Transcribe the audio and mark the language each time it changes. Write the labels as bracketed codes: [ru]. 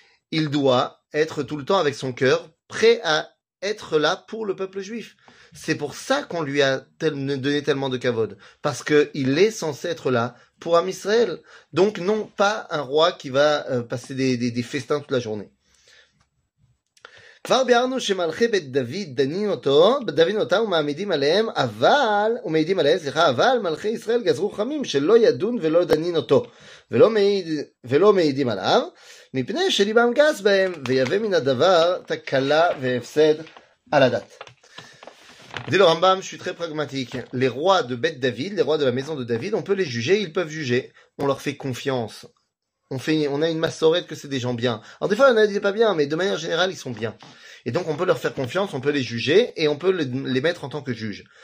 [fr] Il doit être tout le temps avec son cœur, prêt à être là pour le peuple juif. C'est pour ça qu'on lui a donné tellement de kavod. Parce qu'il est censé être là pour Am Israël. Donc non, pas un roi qui va passer des festins toute la journée. [he] כבר ביארנו שמלכי בית דוד דנין אותו, דנין אותם ומעמידים עליהם, אבל, ומעידים עליהם, סליחה, אבל מלכי ישראל גזרו חמים שלא ידון ולא דנין אותו, ולא מעידים עליו, מפני שליבם גס בהם, ויבא מן הדבר תקלה והפסד על הדת. [fr] Dit le Rambam, je suis très pragmatique. Les rois de Beth David, les rois de la maison de David, on peut les juger, ils peuvent juger. On leur fait confiance. On a une massorette que c'est des gens bien. Alors des fois, on a dit pas bien, mais de manière générale, ils sont bien. Et donc, on peut leur faire confiance, on peut les juger, et on peut les mettre en tant que juge.